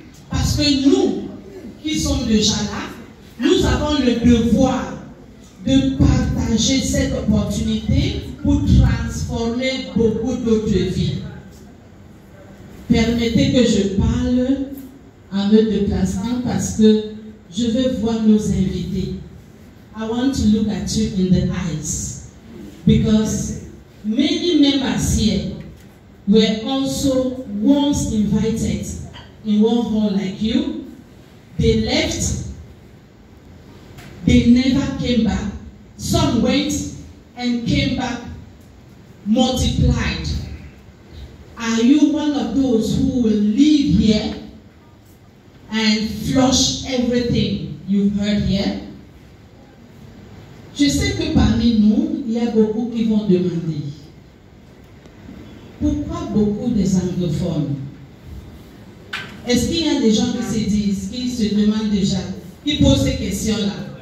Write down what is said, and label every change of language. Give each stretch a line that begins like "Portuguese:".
French: Parce que nous, qui sommes déjà là, nous avons le devoir de partager cette opportunité pour transformer beaucoup d'autres vies. Permettez que je parle en me déplaçant parce que je veux voir nos invités.
English: I want to look at you in the eyes. Because many members here were also once invited in one hall like you. They left. They never came back. Some went and came back multiplied. Are you one of those who will live here and flush everything you've heard here?
French: Je sais que parmi nous, il y a beaucoup qui vont demander pourquoi beaucoup des anglophones. Est-ce qu'il y a des gens qui se disent, qui se demandent déjà, qui posent ces questions-là?